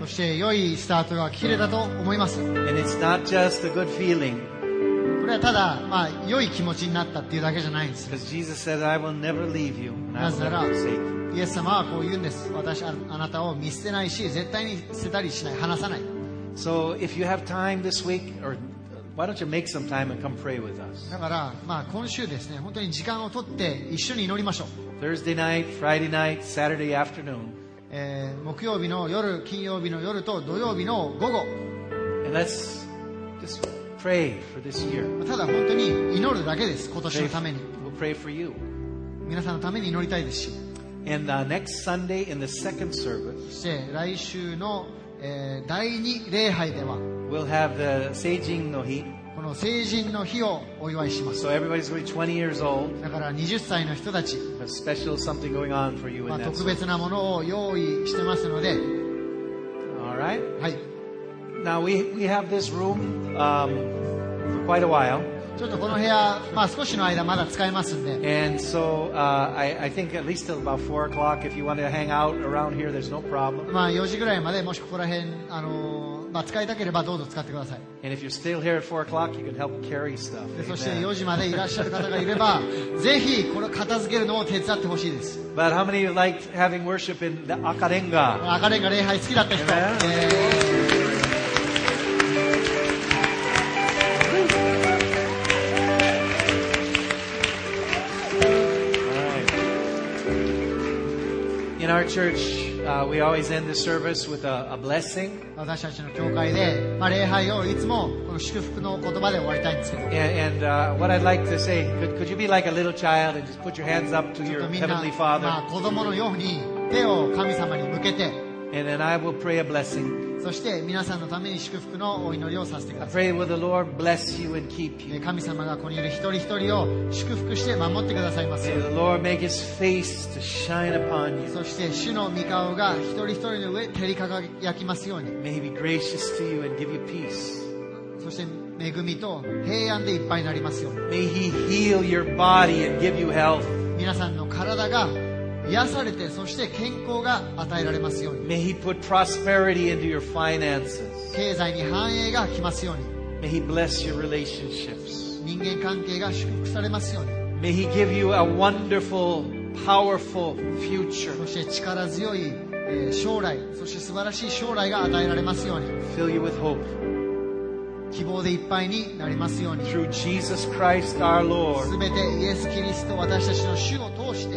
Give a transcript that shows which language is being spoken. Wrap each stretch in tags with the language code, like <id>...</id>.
<ja>そして良いスタートが切れたと思います。</ja> <en>And it's not just a good feeling.</en> <ja>これはただ、まあ、良い気持ちになったっていうだけじゃないんです。</ja> <en>Because Jesus said, I will never leave you, and I will never forsake you.</en> <ja>イエス様はこう言うんです。私はあなたを見捨てないし、絶対に捨てたりしない、離さない。</ja> <en>So if you have time this week, or why don't you make some time and come pray with us?</en> <ja>だから、まあ、今週ですね、本当に時間を取って一緒に祈りましょう。</ja> <en>Thursday night, Friday night, Saturday afternoon.</en> <ja>木曜日の夜、金曜日の夜と土曜日の午後。</ja> <en>And let's just pray for this year.</en> <ja>ただ本当に祈るだけです、今年のために。</ja> <en>We'll pray for you.</en> <ja>皆さんのために祈りたいですし。</ja> <en>And next Sunday in the second service,</en> <ja>来週の、第二礼拝では、</ja> <en>we'll have the 成人の日。</en> <ja>この成人の日をお祝いします。</ja> <en>So everybody's going to be 20 years old.</en> <ja>だから20歳の人たち、</ja> <en>a special something going on for you in that.</en> <ja>特別なものを用意してますので、</ja> <en>all right.</en> <ja>はい。</ja> <en>Now we have this room for quite a while.</en> <ja>ちょっとこの部屋、まあ、少しの間まだ使えますんで。</ja> <en>And so, I think at least till about 4 o'clock, if you want to hang out around here, there's no problem.</en> <ja>まあ4時ぐらいまでもしここら辺、まあ、使いたければどうぞ使ってください。</ja> <en>And if you're still here at 4 o'clock, you can help carry stuff.</en> <ja>そして4時までいらっしゃる方がいれば、ぜひこれ片付けるのを手伝ってほしいです。</ja> <en>But how many of you liked having worship in the 赤レンガ？</en> <ja>赤レンガ礼拝好きだった人。</ja> <en>In our church, we always end the service with a blessing.</en> <ja>私たちの教会で、まあ、礼拝をいつもこの祝福の言葉で終わりたいんですけど。</ja> <en>And what I'd like to say, could you be like a little child and just put your hands up to your heavenly Father?</en> <ja>ちょっとみんな、まあ、子供のように手を神様に向けて。</ja> <en>And then I will pray a blessing.</en> <ja>そして皆さんのために祝福のお祈りをさせてください。</ja> <en>Pray with the Lord bless you and keep you.</en> <ja>神様がここにいる一人一人を祝福して守ってくださいます。</ja> <en>May the Lord make His face to shine upon you.</en> <ja>そして主の御顔が一人一人の上照り輝きますように。</ja> <en>May He be gracious to you and give you peace.</en> <ja>そして恵みと平安でいっぱいになりますように。</ja> <en>May He heal your body and give you health.</en> <ja>皆さんの体が癒されてそして健康が与えられますように。</ja> <en>May He put prosperity into your finances.</en> <ja>経済に繁栄が来ますように。</ja> <en>May He bless your relationships.</en> <ja>人間関係が祝福されますように。</ja> <en>May He give you a wonderful, powerful future.</en> <ja>そして力強い、将来、そして素晴らしい将来が与えられますように。</ja> <en>Fill you with hope.</en> <ja>希望でいっぱいになりますように。</ja> <en>Through Jesus Christ our Lord.</en> <ja>全てイエス・キリスト私たちの主を通して。</ja>